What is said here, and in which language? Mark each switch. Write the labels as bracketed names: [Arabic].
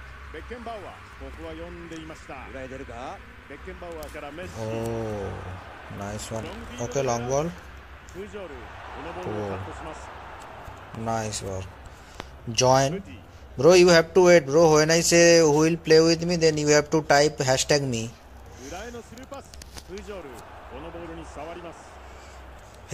[Japanese] ベッケンバウアーここは読んでいました裏へ出るかベッケンバウアーからメッシ [English] ーナイスワンオッケーロングボール [Japanese] フジョルこのボールをカットします [English] ナイスワンジョイン bro you have to wait bro when I say who will play with me then you have to type hashtag me [Japanese] 裏へのスルーパスフジョルこのボールに触ります